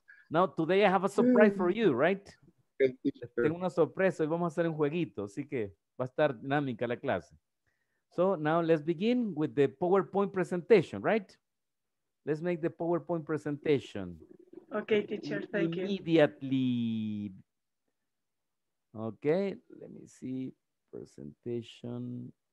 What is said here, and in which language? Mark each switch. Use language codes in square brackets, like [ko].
[en] Now, today I have a surprise for you, right? [es] Tengo una sorpresa y vamos a hacer un jueguito, así que va a estar dinámica la clase. [en] So, now let's begin with the PowerPoint presentation, right? Let's make the PowerPoint presentation. Okay, teacher, thank you. Immediately. Okay, let me see. Presentation.